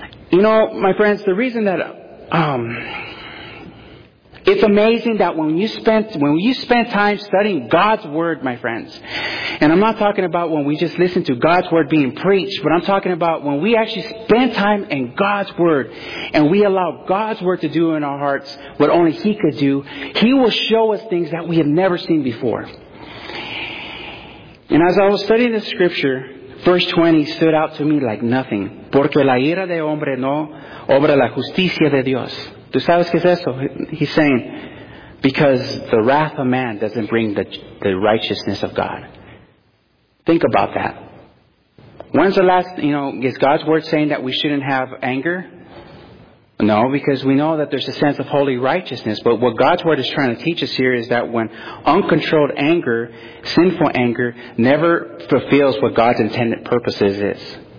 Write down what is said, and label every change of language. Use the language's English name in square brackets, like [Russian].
[English] You know, my friends, the reason that it's amazing that when you spend time studying God's Word, my friends, and I'm not talking about when we just listen to God's Word being preached, but I'm talking about when we actually spend time in God's Word and we allow God's Word to do in our hearts what only He could do, He will show us things that we have never seen before. And as I was studying the scripture, verse 20 stood out to me like nothing. [Spanish] Porque la ira de hombre no obra la justicia de Dios. ¿Tú sabes qué es eso? [English] He's saying, because the wrath of man doesn't bring the righteousness of God. Think about that. When's the last, you know, is God's word saying that we shouldn't have anger? No, because we know that there's a sense of holy righteousness. But what God's Word is trying to teach us here is that when uncontrolled anger, sinful anger, never fulfills what God's intended purposes is.